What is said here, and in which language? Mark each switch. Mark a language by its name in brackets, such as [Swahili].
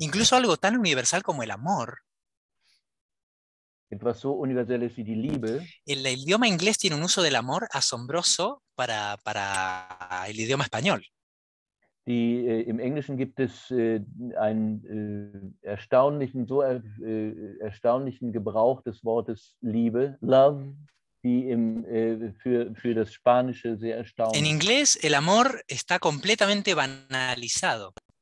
[Spanish] Incluso algo tan universal como el amor. [German] Etwas so universelles wie die Liebe. [Spanish] El idioma inglés tiene un uso del amor asombroso para el idioma español. [German] Die, im Englischen gibt es einen erstaunlichen, so erstaunlichen Gebrauch des Wortes Liebe, love, die im, für das Spanische sehr erstaunlich. [Spanish] En inglés, el amor está completamente banalizado.